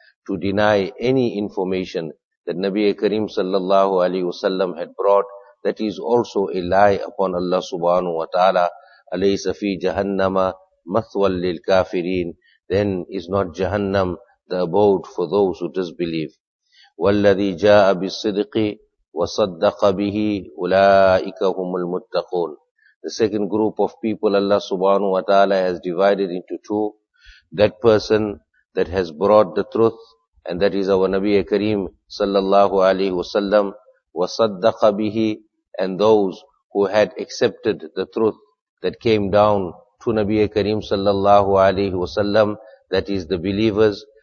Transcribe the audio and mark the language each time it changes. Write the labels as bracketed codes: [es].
[en] To deny any information that Nabi Kareem sallallahu alayhi wa sallam had brought, that is also a lie upon Allah subhanahu wa ta'ala. [ar] Alaysa fi jahannama mathwal lil kafirin. [en] Then is not Jahannam the abode for those who disbelieve? [ar] Walladhi ja'a bis-sidqi وَصَدَّقَ بِهِ أُولَٰئِكَ هُمُ الْمُتَّقُونَ. [en] The second group of people Allah subhanahu wa ta'ala has divided into two. That person that has brought the truth, and that is our Nabi Kareem sallallahu alayhi wa sallam. [ar] وَصَدَّقَ بِهِ, [en] and those who had accepted the truth that came down to Nabi Kareem sallallahu alayhi wa sallam, that is the believers.